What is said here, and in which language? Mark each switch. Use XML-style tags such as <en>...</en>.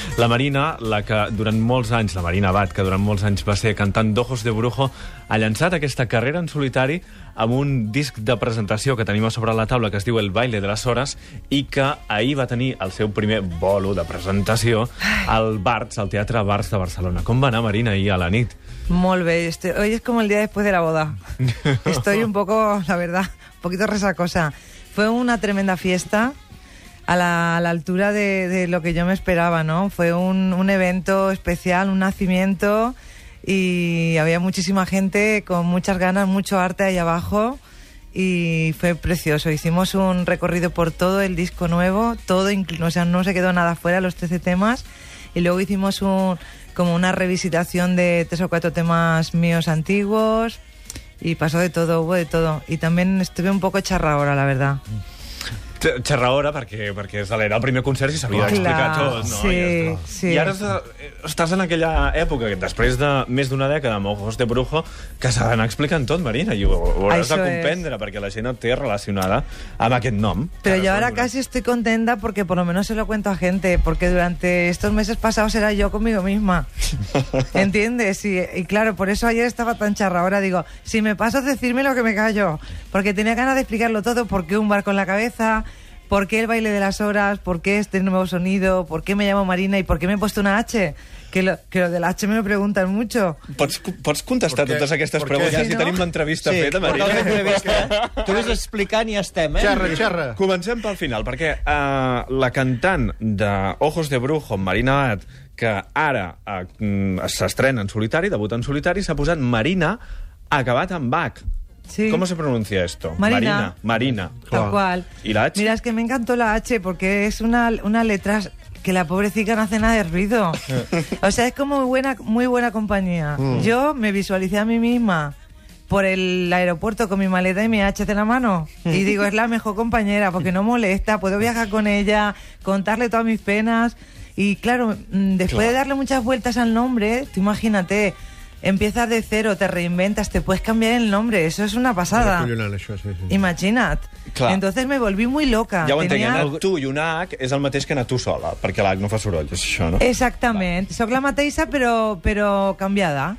<ca>La Marina, la que durant molts anys, la Marina Abad, que durant molts anys va ser cantant d'Ojos de Brujo, ha llançat aquesta carrera en solitari amb un disc de presentació que tenim a sobre la taula que es diu El baile de las horas i que ahir va tenir el seu primer bolo de presentació al Barts, al Teatre Barts de Barcelona. Com va anar, Marina, ahir a la nit? Molt bé.</ca> <es>Hoy es como el día después de la boda. Estoy un poco, la verdad, un poquito resacosa. Fue una tremenda fiesta a la altura de lo que yo me esperaba, ¿no? Fue un evento especial, un nacimiento, y había muchísima gente con muchas ganas, mucho arte ahí abajo, y fue precioso. Hicimos un recorrido por todo el disco nuevo, todo, o sea, no se quedó nada fuera, los 13 temas, y luego hicimos como una revisitación de 3 o 4 temas míos antiguos, y pasó de todo, hubo de todo. Y también estuve un poco charraora, la verdad.</es> <ca>Charraora, perquè era el primer concert i s'havia d'explicar tot, no? Sí, sí. I ara estàs en aquella època, després de més d'una dècada amb Ojos de Brujo, que s'ha d'anar explicant tot, Marina, i ho hauràs de comprendre, perquè la gent et té relacionada amb aquest nom. Però jo ara quasi estic contenta perquè</ca> <es>por lo menos se lo cuento a gente, porque durante estos meses pasados era yo conmigo misma. ¿Entiendes? Y claro, por eso ayer estaba tan charraora. Digo, si me paso, decirme lo que me callo. Porque tenía ganas de explicarlo todo, porque un barco en la cabeza... ¿Por qué El baile de las horas? ¿Por qué este nuevo sonido? ¿Por qué me llamo Marina? ¿Y por qué me he puesto una H? Que lo de la H me lo preguntan mucho.</es> <ca>¿Pots contestar totes aquestes preguntes? Si tenim l'entrevista sí, feta, Marina. Tu vés explicant i estem, eh? Xerra. Comencem pel final, perquè la cantant de Ojos de Brujo, Marina Abad, que ara s'estrena en solitari, debuta en solitari, s'ha posat Marina, acabat en Bach. Sí.</ca> <es>¿Cómo se pronuncia esto? Marina. Tal cual. ¿Y la H? Mira, es que me encantó la H porque es una letra que la pobrecita no hace nada de ruido. O sea, es como muy buena compañía. Yo me visualicé a mí misma por el aeropuerto con mi maleta y mi H en la mano. Y digo, es la mejor compañera porque no molesta, puedo viajar con ella, contarle todas mis penas. Y claro, después de darle muchas vueltas al nombre, tú imagínate... Empiezas de cero, te reinventas, te puedes cambiar el nombre. Eso es una pasada.</es> <ca>Imagina't. Clar.</ca> <es>Entonces me volví muy loca.</es> <ca>Ja ho entenc, tu i una H és el mateix que anar tu sola, perquè l'H no fa soroll, és això, no? Exactament. Soc la mateixa, però canviada.</ca>